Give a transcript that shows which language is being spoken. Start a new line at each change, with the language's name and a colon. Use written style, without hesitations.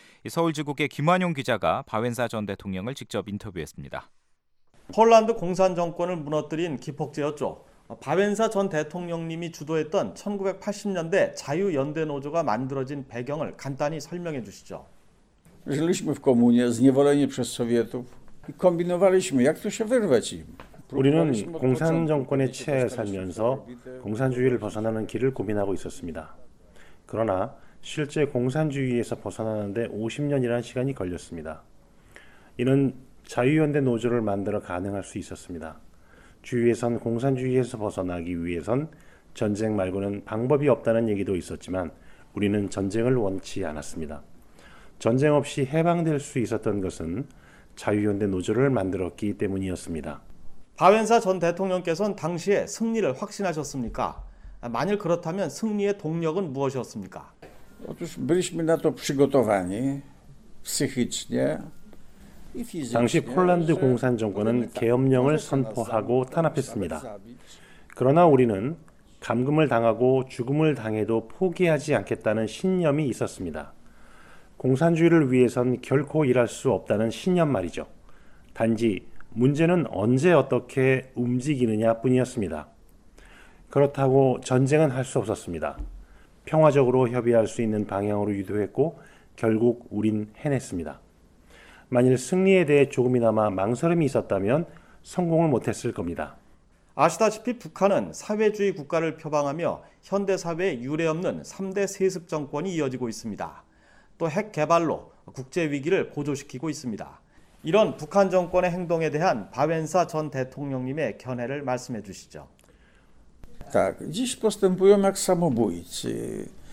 Korean: 서울지국의 김환용 기자가 바웬사 전 대통령을 직접 인터뷰했습니다. 폴란드 공산 정권을 무너뜨린 기폭제였죠. 바웬사 전 대통령님이 주도했던 1980년대 자유연대노조가 만들어진 배경을 간단히 설명해 주시죠.
Polish: Żyliśmy w komunie, zniewoleni przez Sowietów i kombinowaliśmy, jak to się wyrwać im.
Korean: 우리는 공산 정권에 취해 살면서 공산주의를 벗어나는 길을 고민하고 있었습니다. 그러나 실제 공산주의에서 벗어나는데 50년이라는 시간이 걸렸습니다. 이는 자유연대노조를 만들어 가능할 수 있었습니다. 주위에선 공산주의에서 벗어나기 위해선 전쟁 말고는 방법이 없다는 얘기도 있었지만 우리는 전쟁을 원치 않았습니다. 전쟁 없이 해방될 수 있었던 것은 자유연대 노조를 만들었기 때문이었습니다. 바웬사 전 대통령께서는 당시에 승리를 확신하셨습니까? 만일 그렇다면 승리의 동력은 무엇이었습니까?
Polish: Otóż byliśmy na to przygotowani psychicznie.
Korean: 당시 폴란드 공산 정권은 계엄령을 선포하고 탄압했습니다. 그러나 우리는 감금을 당하고 죽음을 당해도 포기하지 않겠다는 신념이 있었습니다. 공산주의를 위해선 결코 일할 수 없다는 신념 말이죠. 단지 문제는 언제 어떻게 움직이느냐 뿐이었습니다. 그렇다고 전쟁은 할 수 없었습니다. 평화적으로 협의할 수 있는 방향으로 유도했고 결국 우린 해냈습니다. 만일 승리에 대해 조금이나마 망설임이 있었다면 성공을 못했을 겁니다. 아시다시피 북한은 사회주의 국가를 표방하며 현대사회에 유례없는 3대 세습 정권이 이어지고 있습니다. 또 핵 개발로 국제 위기를 고조시키고 있습니다. 이런 북한 정권의 행동에 대한 바웬사 전 대통령님의 견해를 말씀해 주시죠.
Polish: Tak, dziś postępują jak samobójcy.